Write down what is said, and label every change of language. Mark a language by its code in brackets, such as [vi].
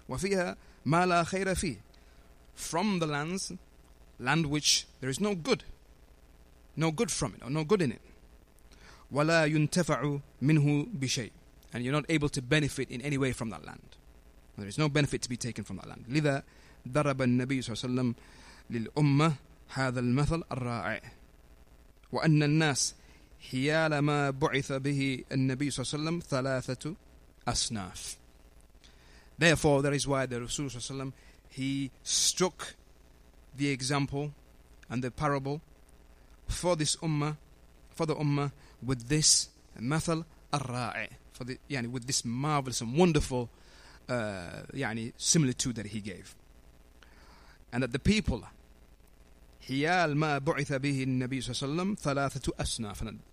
[ar] وَفِيهَا مَا لَا خَيْرَ فِيهِ. [en] From the lands, land which there is no good from it, or no good in it. [ar] وَلَا يُنْتَفَعُ مِنْهُ بِشَيْءٍ. [en] And you're not able to benefit in any way from that land. There is no benefit to be taken from that land. [ar] لِذَا دَرَبَ النَّبِيُّ صَلَّى اللَّهُ عَلَيْهِ وَسَلَّمَ لِلْأُمَّةِ هذا المثل الرائع وأن الناس حيال ما بعث به النبي صلى الله عليه وسلم ثلاثة أصناف. [en] Therefore, that is why the Rasul [ar] صلى الله عليه وسلم [en] he struck the example and the parable for this ummah, for the ummah, with this [ar] مثل الرائع, [en] for the with this marvelous and wonderful similitude that he gave, and that the people. [ar] حيال ما بعث به النبي صلى الله عليه وسلم ثلاثة أصناف.